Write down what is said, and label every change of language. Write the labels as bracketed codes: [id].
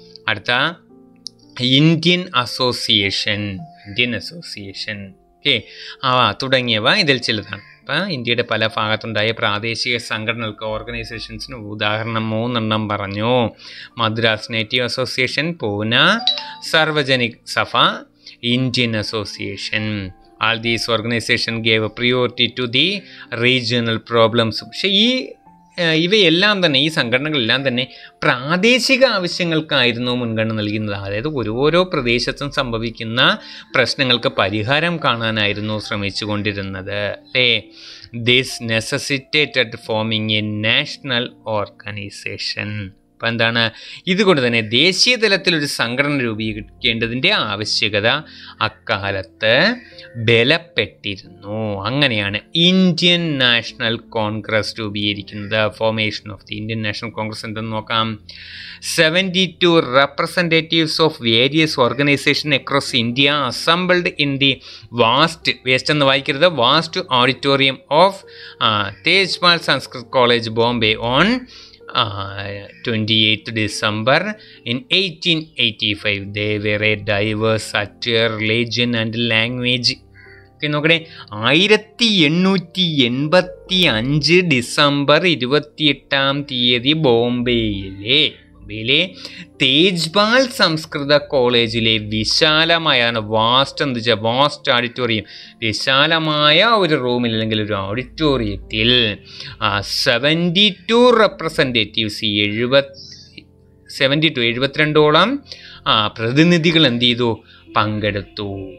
[ml] അടുത്ത Indian association, Indian association okay തുടങ്ങിയവ ഇതിൽ ചിലതാണ്. ഇപ്പം ഇന്ത്യയുടെ പല ഭാഗത്തുണ്ടായ പ്രാദേശിക സംഘടനകൾക്ക് ഓർഗനൈസേഷൻസിന് ഉദാഹരണം മൂന്നെണ്ണം പറഞ്ഞു. Madras native association, Pune സർവജനിക് Safa, Indian association. [en] All these organizations gave priority to the regional problems. [ml] പക്ഷേ ഈ ഇവയെല്ലാം തന്നെ, ഈ സംഘടനകളെല്ലാം തന്നെ പ്രാദേശിക ആവശ്യങ്ങൾക്കായിരുന്നു മുൻഗണന നൽകുന്നത്. അതായത് ഓരോരോ പ്രദേശത്തും സംഭവിക്കുന്ന പ്രശ്നങ്ങൾക്ക് പരിഹാരം കാണാനായിരുന്നു ശ്രമിച്ചു കൊണ്ടിരുന്നത് അല്ലേ. [en] This necessitated forming a national organization. [ml] അപ്പോൾ എന്താണ്, ഇതുകൊണ്ട് തന്നെ ദേശീയ തലത്തിലൊരു സംഘടന രൂപീകരിക്കേണ്ടതിൻ്റെ ആവശ്യകത അക്കാലത്ത് ബലപ്പെട്ടിരുന്നു. അങ്ങനെയാണ് ഇന്ത്യൻ നാഷണൽ കോൺഗ്രസ് രൂപീകരിക്കുന്നത്. [en] Formation of the Indian National Congress എന്തെന്ന് നോക്കാം. 72 representatives of various organisation across India assembled in the vast [ml] എന്ന് വായിക്കരുത്, [en] Vast auditorium of Tejmal Sanskrit college Bombay on 28 December 1885. They were a diverse culture, religion and language. [ml] ഒക്കെ നോക്കണേ 1885 December 28 ബോംബെയിലെ തേജ്പാൽ സംസ്കൃത കോളേജിലെ വിശാലമായ വാസ്റ്റ് എന്ത് വെച്ചാൽ വാസ്റ്റ് ഓഡിറ്റോറിയം, വിശാലമായ ഒരു റൂമിൽ അല്ലെങ്കിൽ ഒരു ഓഡിറ്റോറിയത്തിൽ 72 റെപ്രസെൻറ്റേറ്റീവ്സ് 72 72 72 പ്രതിനിധികൾ എന്ത് ചെയ്തു, പങ്കെടുത്തു.